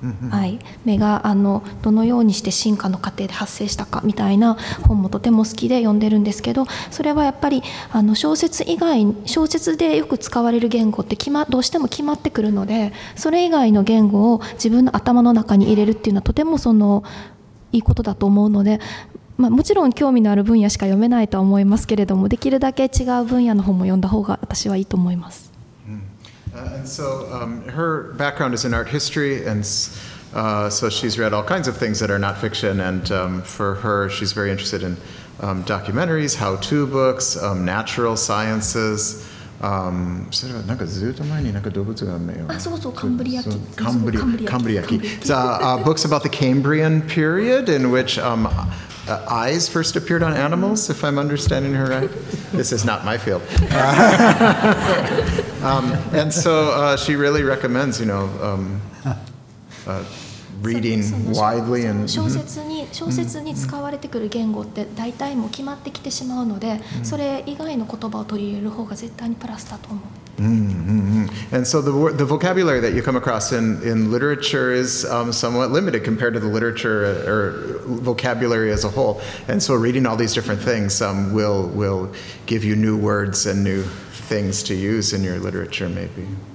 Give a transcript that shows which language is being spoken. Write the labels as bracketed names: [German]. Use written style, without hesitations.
[Japanese] はい、目があのどのようにして進化の過程で発生したかみたいな本もとても好きで読んでるんですけど、それはやっぱりあの小説以外、小説でよく使われる言語って決、ま、どうしても決まってくるので、それ以外の言語を自分の頭の中に入れるっていうのはとてもそのいいことだと思うので、まあ、もちろん興味のある分野しか読めないとは思いますけれども、できるだけ違う分野の本も読んだ方が私はいいと思います。 [English] And so her background is in art history, and so she's read all kinds of things that are not fiction. And for her, she's very interested in documentaries, how-to books, natural sciences. Books about the Cambrian period, in which eyes first appeared on animals, if I'm understanding her right. This is not my field. she really recommends, you know, reading widely and... [Japanese] 小説に使われてくる言語って大体もう決まってきてしまうので、mm-hmm. それ以外の言葉を取り入れる方が絶対にプラスだと思う。 Mm-hmm. [English] And so the vocabulary that you come across in literature is somewhat limited compared to the literature or vocabulary as a whole. And so reading all these different things will give you new words and new things to use in your literature, maybe.